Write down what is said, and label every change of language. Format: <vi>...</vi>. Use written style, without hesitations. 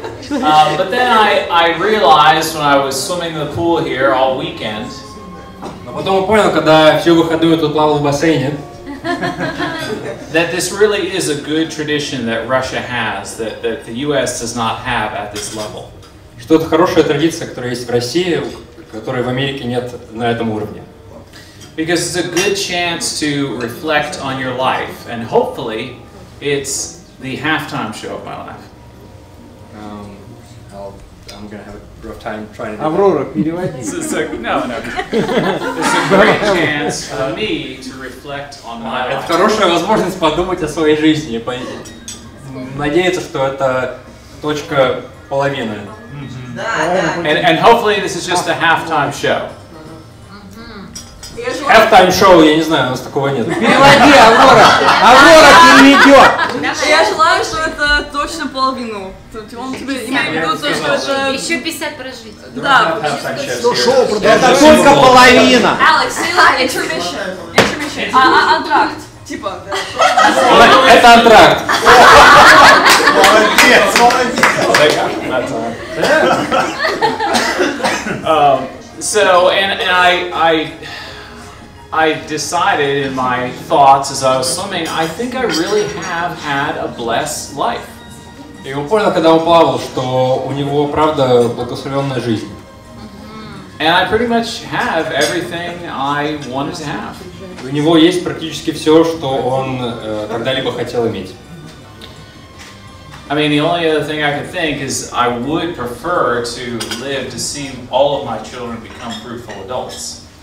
<en>But then I realized when I was swimming in the pool here all weekend.</en> <ru>Но потом я понял, когда всю выходную тут плавал в бассейне.</ru> <en>That this really is a good tradition that Russia has, that the U.S. does not have at this level.</en> <ru>Что это хорошая традиция, которая есть в России, которой в Америке нет на этом уровне.</ru> <en>Because it's a good chance to reflect on your life, and hopefully, it's the halftime show of my life. I'm gonna have a rough time trying to.</en> <ru>Аврора, переводи.</ru> <en>It's a great chance for me to reflect on my life.</en> <ru>Это хорошая возможность подумать о своей жизни. Надеяться, что это точка половина.</ru> <en>And hopefully this is just a halftime show.</en> <ru>Halftime show, я не знаю, у нас такого нет. Переводи, Аврора! Аврора, ты не идёшь! Я желаю, что это точно половину. Он тебе имеет в виду то, что это... Еще 50 прожить. Да. Шоу продолжается. Это только половина!</ru> <en>Алекс, say like intermission.</en> <ru>Антракт. Типа, да. Это антракт. Молодец, молодец.</ru> <en>I decided in my thoughts as I was swimming, I think I really have had a blessed life.</en> <ru>И он понял, когда он плавал, что у него правда благословенная жизнь.</ru> <en>And I pretty much have everything I wanted to have.</en> <ru>У него есть практически все, что он когда-либо хотел иметь.</ru> <en>I mean, the only other thing I could think is I would prefer to live to see all of my children become fruitful adults.</en>